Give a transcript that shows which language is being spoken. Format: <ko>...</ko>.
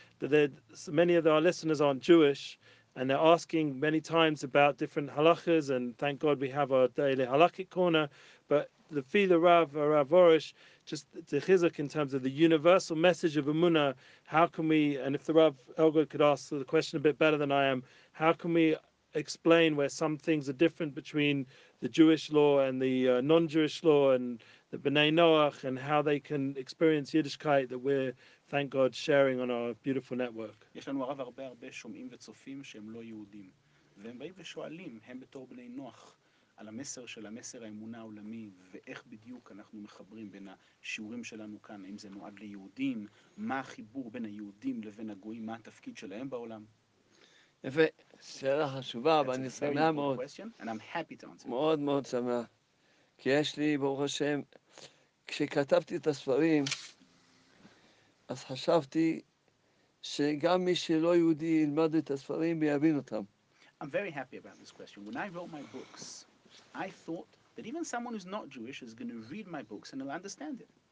<en>that many of our listeners aren't Jewish, and they're asking many times about different halachas, and thank God we have our daily halakhic corner, but the Fila Rav, or Rav Orish, just the chizuk in terms of the universal message of Amunah, how can we, and if the Rav Elgod could ask the question a bit better than I am, how can we explain where some things are different between the Jewish law and the non-Jewish law, and the B'nai Noach, and how they can experience Yiddishkeit that we're, thank God, sharing on our beautiful network.</en> <he>יש לנו הרבה הרבה הרבה שומעים וצופים שהם לא יהודים, והם באים ושואלים, הם בתור בני נוח, על המסר של המסר האמונה העולמי, ואיך בדיוק אנחנו מחברים בין השיעורים שלנו כאן, האם זה נועד ליהודים, מה החיבור בין היהודים לבין הגויים, מה התפקיד שלהם בעולם? יפה, שאלה חשובה, ואני שמח מאוד.</he> <en>And I'm happy to answer.</en> <he>מאוד מאוד שמח. כי יש לי, ברוך השם, כשכתבתי את הספרים, אז חשבתי שגם מי שלא יהודי ילמד את הספרים ויבין אותם.</he> <en>I'm very happy about this question. When I wrote my books, I thought that even someone who's not Jewish is going to read my books and they'll understand it.</en>